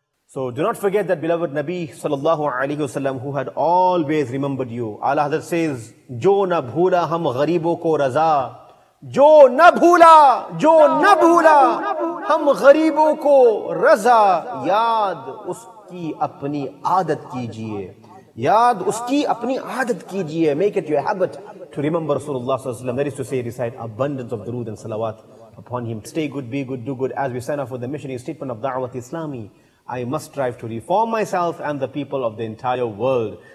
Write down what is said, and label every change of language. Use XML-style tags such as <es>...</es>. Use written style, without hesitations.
<en>So do not forget that beloved Nabi sallallahu alayhi wasallam who had always remembered you. Allah Hazrat says,</en> <ur>جو نہ بھولا ہم غریبوں کو رضا، جو نہ بھولا، جو نہ بھولا ہم غریبوں کو رضا، یاد اس کی اپنی عادت کیجئے، یاد اس کی اپنی عادت کیجئے.</ur> <en>Make it your habit to remember Rasulullah sallallahu alayhi wasallam. That is to say, recite abundance of durood and salawat upon him. Stay good, be good, do good. As we sign off with the missionary statement of Da'wat Islami, I must strive to reform myself and the people of the entire world.</en>